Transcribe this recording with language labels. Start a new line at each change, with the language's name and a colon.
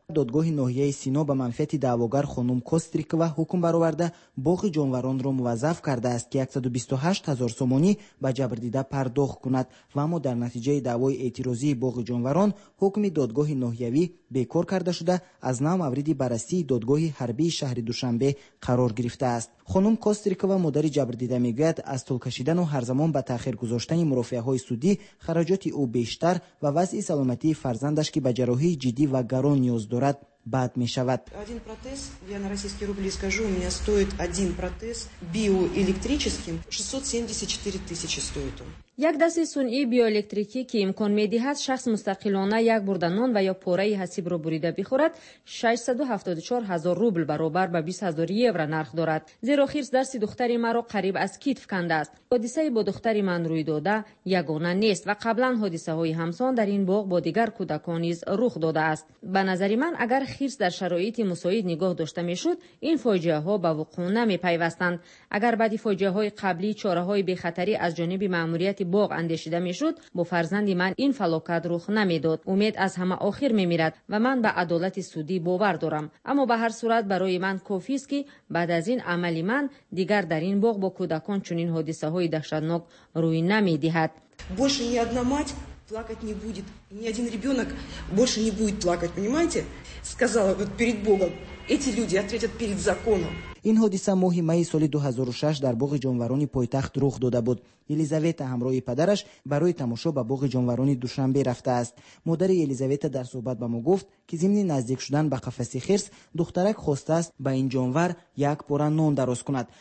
Persian: دادگاه ناحیه سینو به منفعت دعواگر خانم کوستریکوا حکم برآورده باغ جانوران را موظف کرده است که 128 هزار سومانی به جبردیده پرداخت کند و اما در نتیجه دعوای اعتراضی باغ جانوران حکم دادگاه ناحیوی بیکار کرده شده از نو موردی بررسی دادگاه حربی شهر دوشنبه قرار گرفته است. خانم کوستریکوا مادر جبردیده میگوید از طول کشیدن و هر زمان به تاخیر گذاشتن مرافعه های سودی خراجات او بیشتر و وضع سلامتی فرزندش که به جراحی جدی و گران نیاز دارد بد می شود.
Russian: один протез, я на российские рубли скажу, у меня стоит один протез биоэлектрическим 674 тысячи стоит он.
Persian: یک دست سونئی بیوالکتریکی که امکان می دهد شخص مستقلانه یک بردنان و یا پوره حسیب را بریده بخورد 674 هزار روبل برابر به 20 هزار یورو نرخ دارد. زیرا خیرس دست دختری مرا قریب از کتف کنده است. حادثه با دختری من روی داده یگانه نیست و قبلا حادثه های همسان در این باغ با دیگر کودکان نیز رخ داده است. به نظر من اگر خیرس در شرایط مساعد نگاه داشته می شد این فاجعه ها به وقوع نمی پیوستند. اگر بعد فاجعه های قبلی چاره های بی خطری از جانب ماموریت باغ اندیشیده می شد با فرزند من این فلاکت رخ نمی داد. امید از همه آخر می میرد و من به عدالت سودی باور دارم. اما به هر صورت برای من کافی است که بعد از این عملی من دیگر در این باغ با کودکان چنین حادثه های دهشتناک روی نمی دهد. بیش از یک مادر плакать не будет.
Russian: Ни один ребёнок больше не будет плакать, понимаете? Сказала вот перед Богом. Эти люди ответят перед законом.
Persian: این حادثه ماه می سال 2006 در باغ جانوران پایتخت رخ داده بود. الیزابتا همراه پدرش برای تماشا به باغ جانوران دوشنبه رفته است. مادر الیزابتا در صحبت با ما گفت که ضمن نزدیک شدن به قفس خرس دخترک خواسته است به این جانور یک پاره نان دراز کند.